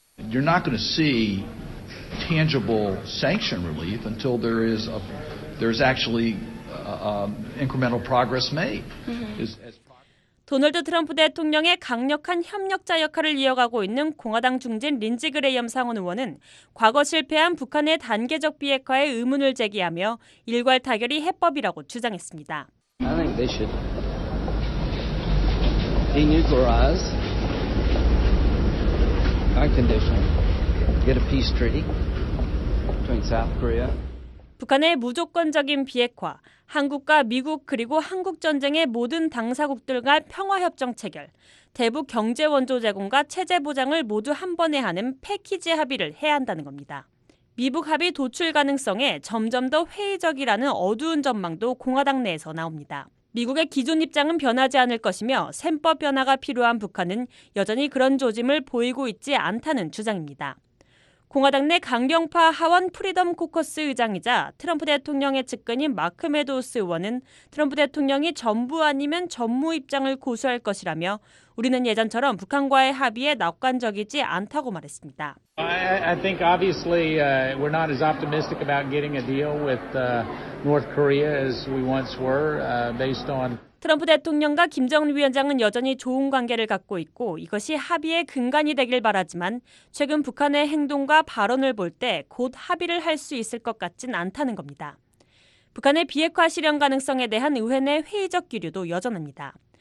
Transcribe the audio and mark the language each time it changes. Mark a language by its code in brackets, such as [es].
[en] You're not going to see tangible sanction relief until there's actually incremental progress made. [ko] 도널드 트럼프 대통령의 강력한 협력자 역할을 이어가고 있는 공화당 중진 린지 그레이엄 상원 의원은 과거 실패한 북한의 단계적 비핵화에 의문을 제기하며 일괄 타결이 해법이라고 주장했습니다. [en] I think they should denuclearize our condition, get a peace treaty between South Korea. [ko] 북한의 무조건적인 비핵화, 한국과 미국 그리고 한국전쟁의 모든 당사국들과 평화협정 체결, 대북 경제원조 제공과 체제 보장을 모두 한 번에 하는 패키지 합의를 해야 한다는 겁니다. 미북 합의 도출 가능성에 점점 더 회의적이라는 어두운 전망도 공화당 내에서 나옵니다. 미국의 기존 입장은 변하지 않을 것이며 셈법 변화가 필요한 북한은 여전히 그런 조짐을 보이고 있지 않다는 주장입니다. 공화당 내 강경파 하원 프리덤 코커스 의장이자 트럼프 대통령의 측근인 마크 메도우스 의원은 트럼프 대통령이 전부 아니면 전무 입장을 고수할 것이라며 우리는 예전처럼 북한과의 합의에 낙관적이지 않다고 말했습니다. [en] I think obviously we're not as optimistic about getting a deal with North Korea as we once were based on [ko] 트럼프 대통령과 김정은 위원장은 여전히 좋은 관계를 갖고 있고 이것이 합의의 근간이 되길 바라지만 최근 북한의 행동과 발언을 볼 때 곧 합의를 할 수 있을 것 같진 않다는 겁니다. 북한의 비핵화 실현 가능성에 대한 의회 내 회의적 기류도 여전합니다.